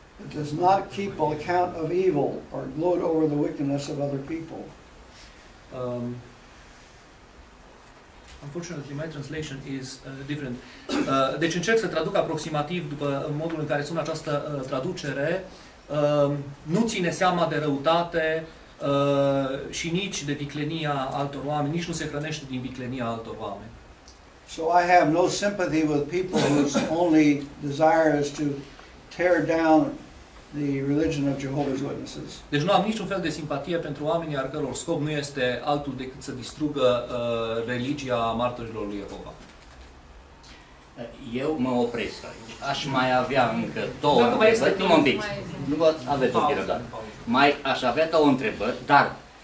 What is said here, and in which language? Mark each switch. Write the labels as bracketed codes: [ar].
[en] It does not keep account of evil or gloat over the wickedness of other people. Unfortunately, my translation is different. [ro] Deci încerc să traduc aproximativ după modul în care sună această traducere. Nu ține seama de răutate și nici de viclenia altor oameni, nici nu se hrănește din viclenia altor oameni. [en] So I have no sympathy with people whose only desire is to tear down the religion of Jehovah's Witnesses. [ro] Deci nu am niciun fel de simpatie pentru oamenii al căror scop nu este altul decât să distrugă religia martorilor lui Jehova. Eu mă opresc aici. Aș mai avea încă două întrebări. Nu mă împiți. Nu vă aveți o pierdere. Mai aș avea două întrebări, dar